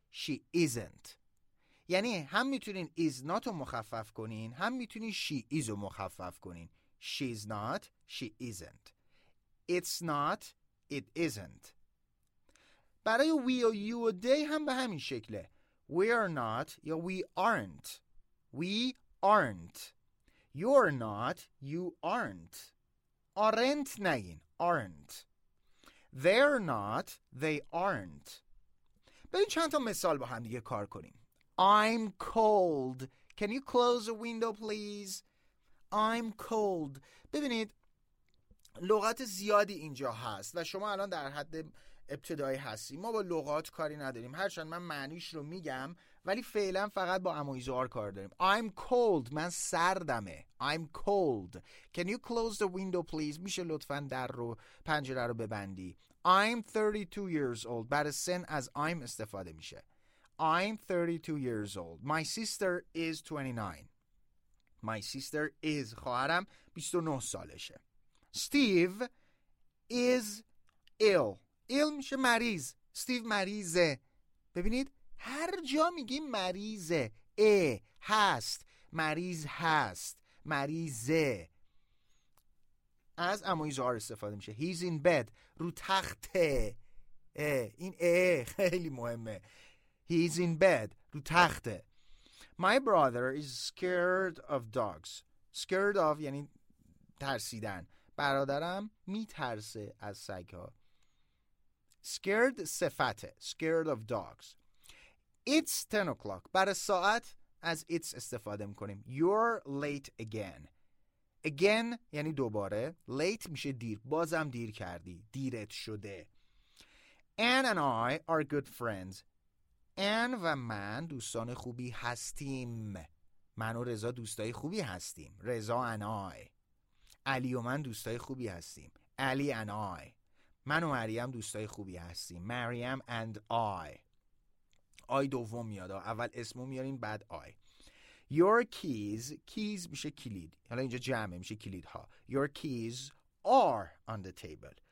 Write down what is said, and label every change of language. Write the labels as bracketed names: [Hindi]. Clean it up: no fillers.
[English] She isn't. [Persian] یعنی هم میتونین is not رو مخفف کنین، هم میتونین she is رو مخفف کنین. [English] She's not, she isn't. It's not, it isn't. [Persian] برای we و you و they هم به همین شکله. [English] We are not یا we aren't. We aren't. You're not, you aren't. Aren't نگین، aren't. They're not, they aren't. [Persian] بریم چند تا مثال با هم دیگه کار کنیم. [English] I'm cold. Can you close the window please? I'm cold. [Persian] ببینید لغات زیادی اینجا هست و شما الان در حد ابتدایی هستیم. ما با لغات کاری نداریم. هرچند من معنیش رو میگم و ولی فعلا فقط با am و is are کار داریم. [English] I'm cold. [Persian] من سردمه. [English] I'm cold. Can you close the window please? [Persian] میشه لطفاً در رو پنجره رو ببندی. [English] I'm 32 years old. [Persian] بعد از سن از I'm استفاده میشه. [English] I'm 32 years old. My sister is 29. My sister is [Persian] خواهرم 29 سالشه. [English] Steve is ill. [Persian] ill میشه مریض. Steve مریضه. ببینید هر جا میگیم مریضه. ای هست. مریض هست. مریضه. از اموزار استفاده میشه. [English] He's in bed. [Persian] رو تخته. ای. این ای خیلی مهمه. [English] He's in bed. [Persian] رو تخته. [English] My brother is scared of dogs. [Persian] Scared of یعنی ترسیدن. برادرم میترسه از سگ ها. Scared صفته. [English] Scared of dogs. It's 10 o'clock. [Persian] برای ساعت از it's استفاده میکنیم. [English] You're late again. [Persian] Again یعنی دوباره. Late میشه دیر. بازم دیر کردی. دیرت شده. [English] Anne and I are good friends. [Persian] ان و من دوستان خوبی هستیم. من و رضا دوستای خوبی هستیم. رضا ان آی. علی و من دوستای خوبی هستیم. علی ان آی. من و مریم دوستای خوبی هستیم. مریم اند آی. آی دوم میاد. اول اسمو میاریم بعد آی. [English] Your keys. [Persian] Keys میشه کلید. حالا اینجا جمع میشه کلیدها. [English] Your keys are on the table.